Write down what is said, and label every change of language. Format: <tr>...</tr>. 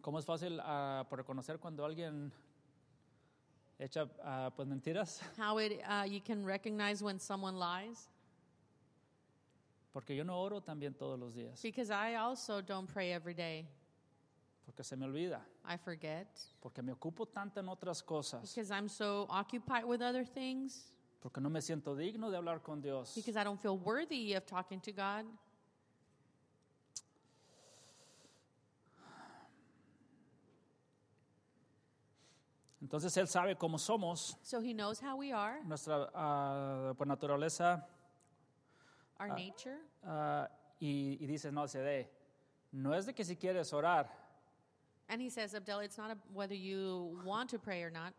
<es>¿Cómo es fácil por reconocer cuando alguien echa pues mentiras?</es> <en>How you can recognize when someone lies?</en> <es>Porque yo no oro también todos los días.</es> <en>Because I also don't pray every day.</en> <es>Porque se me olvida.</es> <en>I forget.</en> <es>Porque me ocupo tanto en otras cosas.</es> <en>Because I'm so occupied with other things.</en> <es>Porque no me siento digno de hablar con Dios.</es> <en>Because I don't feel worthy of talking to God.</en> <es>Entonces él sabe cómo somos.</es> <en>So he knows how we are.</en> <es>Nuestra por naturaleza.</es> <en>Our nature.</en> <es>Y dices, no, se dé. No es de que si quieres orar.</es> <en>And he says, Abdel, it's not whether you want to pray or not.</en>